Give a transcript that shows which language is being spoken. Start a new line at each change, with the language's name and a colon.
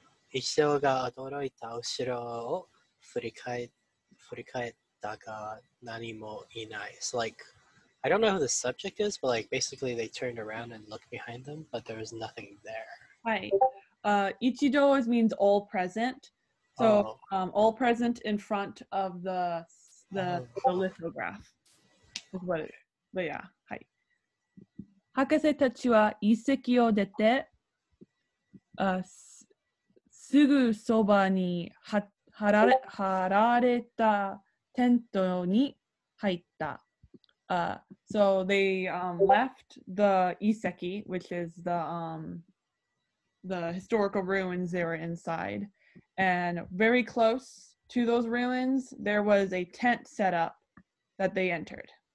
Japanese: 一生が驚いた後ろを振り返ったが何もいない。
English: So like, I don't know who the subject is, but like basically they turned around and looked behind them, but there was nothing there. はい。Ichido always means all present. So, all present in front of the lithograph is what it is. But yeah,
Japanese: はい。博士たちは遺跡を出て、すぐそばに張られたテントに入った。
English: So they left the Iseki, which is the historical ruins they were inside, and very close. To those ruins, there was a tent set up that they entered.